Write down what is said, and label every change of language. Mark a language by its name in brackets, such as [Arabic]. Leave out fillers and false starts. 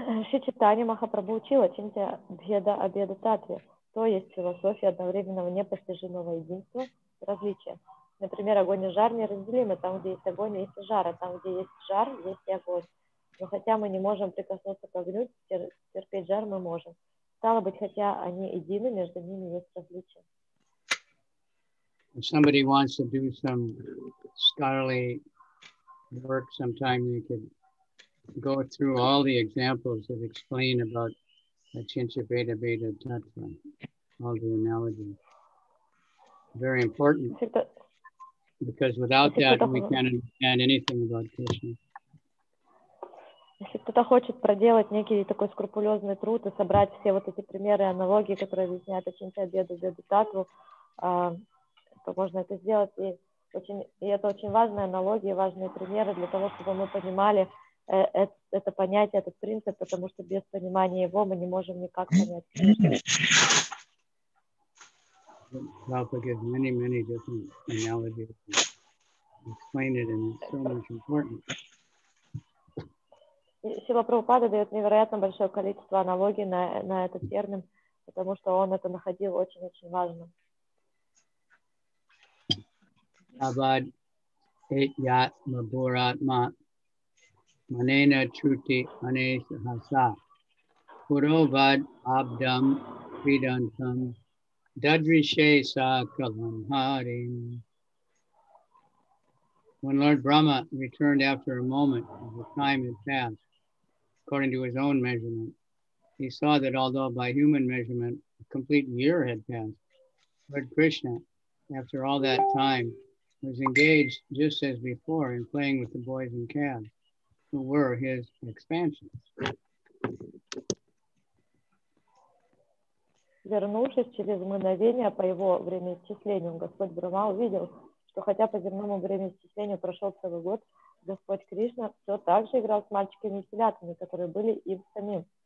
[Russian] Ши Читани Махапрабху учил Ачинтья Бхеда Абхеда Татве, то есть философия одновременного непостижимого единства, различия. Например, огонь и жар неразделимы. Там, где есть огонь, есть и жар. А там, где есть жар, есть и огонь. Но хотя мы не можем прикоснуться к огню, терпеть жар мы можем. Стало быть, хотя они едины, между ними есть различия. [English] If somebody wants to do some scholarly work sometime, you can go through all the examples that explain about Achintya Beda Beda Tattva, all the analogies. Very important, because without that we can't understand anything about Krishna. [Russian] Если кто-то хочет проделать некий такой скрупулезный труд и собрать все вот эти примеры, аналогии, которые объясняют Achintya Beda Beda Tattva, то можно это сделать. И это очень важные аналогии, важные примеры для того, чтобы мы понимали это понятие, этот принцип, потому что без понимания его мы не можем никак понять. [English] Prabhupada gives many, many different analogies to explain it, and it's so much important. [Russian] Сила Прабхупада дает невероятно большое количество аналогий на этот термин, потому что он это находил очень-очень важным. [Sanskrit] Abad Eyat Maburatma Manena Chuti Anesh Hasa Purovad Abdam Vidantam Dadrishe Sakalam Harim. [English] When Lord Brahma returned after a moment of the time had passed, according to his own measurement, he saw that although by human measurement a complete year had passed, Lord Krishna, after all that time, was engaged just as before in playing with the boys and calves, who were his expansions. [Russian] Вернувшись через мгновение по его времяисчислению, Господь Брахма увидел, что хотя по земному времяисчислению прошел целый год, Господь Кришна все так же играл с мальчиками и телятами, которые были им самим.